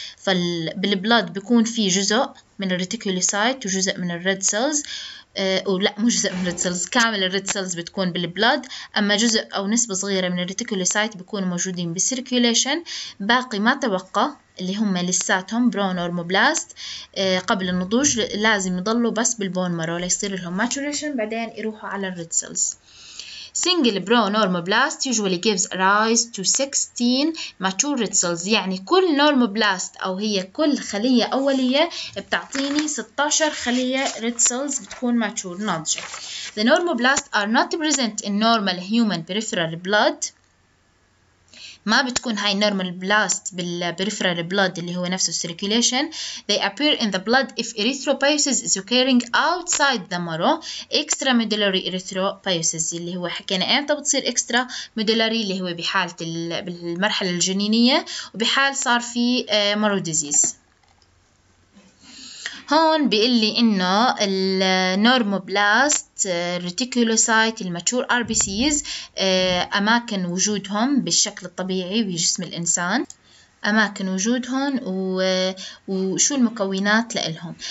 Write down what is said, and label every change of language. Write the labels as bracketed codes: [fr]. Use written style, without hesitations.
[ar] فبالبلاد بيكون في جزء من الريتيكولوسايت وجزء من الريد سيلز، ولا مو جزء من الريد سيلز، كامل الريد سيلز بتكون بالبلاد، اما جزء او نسبه صغيره من الريتيكولوسايت بيكونوا موجودين بالسيركيوليشن، باقي ما توقع اللي هم لساتهم برو نورموبلاست قبل النضوج لازم يضلوا بس بالبون مارو ليصير لهم ماتوريشن بعدين يروحوا على الريد سيلز. [en] Single bro normoblast usually gives rise to 16 mature red cells، [ar] يعني كل normoblast أو هي كل خلية أولية بتعطيني 16 خلية red cells بتكون mature ناضجة. [en] The normoblast are not present in normal human peripheral blood. [ar] ما بتكون هاي normal blast بالperiferal blood اللي هو نفسه circulation. [en] They appear in the blood if erythropoiesis is occurring outside the marrow. [ar] Extramedullary erythropoiesis اللي هو حكينا امتى بتصير extramedullary اللي هو بحالة بالمرحلة الجنينية وبحال صار في marrow disease. هون بيقول لي انه النورموبلاست ريتيكولوسايت الماتشور ار بي سيز اماكن وجودهم بالشكل الطبيعي بجسم الانسان اماكن وجودهم وشو المكونات لهم.